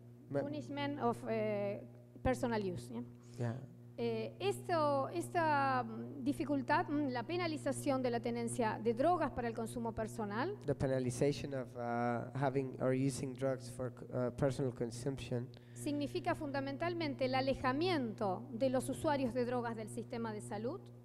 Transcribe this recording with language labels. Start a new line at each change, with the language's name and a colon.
English: Punishment of personal use. Yeah. Yeah.
Spanish: Esta dificultad, la penalización de la tenencia de drogas para el consumo personal.
English: The penalization of having or using drugs for personal consumption.
Spanish: Significa fundamentalmente el alejamiento de los usuarios de drogas del sistema de salud.